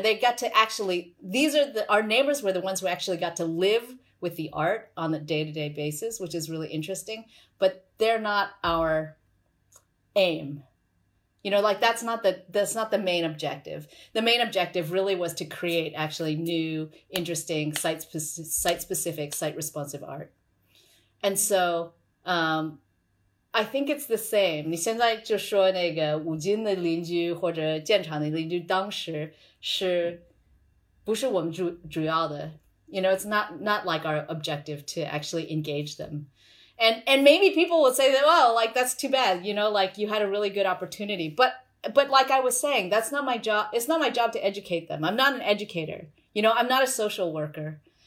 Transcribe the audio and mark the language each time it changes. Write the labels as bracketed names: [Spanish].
[English] They got to actually, our neighbors were the ones who actually got to live with the art on a day-to-day basis, which is really interesting, but they're not our aim. You know, like that's not the main objective. The main objective really was to create actually new, interesting, site-specific, site-responsive art. And so I think it's the same. [Chinese] 你现在就说那个五金的邻居或者建厂的邻居当时是不是我们主要的。 [English] You know, it's not like our objective to actually engage them. And maybe people will say that, like, that's too bad, you know, like, you had a really good opportunity. But like I was saying, that's not my job. It's not my job to educate them. I'm not an educator. You know, I'm not a social worker.